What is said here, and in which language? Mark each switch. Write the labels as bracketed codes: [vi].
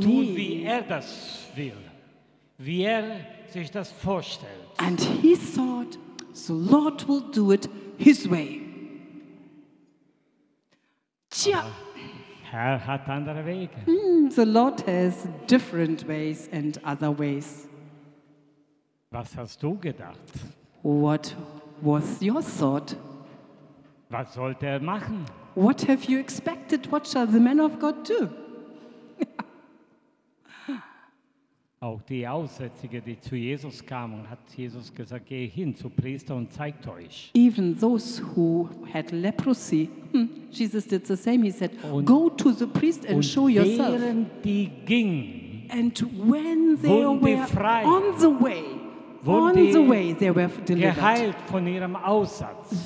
[de] So tun, wie er das will, wie er sich das vorstellt. [en] And he thought, the Lord will do it his way. [de] Tja. Herr hat andere Wege. [en] The Lord has different ways and other ways. [de] Was hast du gedacht? [en] What was your thought? [de] Was sollte er machen? [en] What have you expected? What shall the man of God do? [de] Auch die Aussätzige, die zu Jesus kam und hat Jesus gesagt, geh hin zu Priester und zeigt euch. [en] Even those who had leprosy, Jesus did the same. He said, und, go to the priest and show yourself. [de] Und während die ging, [en] and when they were [de] frei, [en] on the way, on the way, they were delivered. [de] Geheilt von ihrem Aussatz.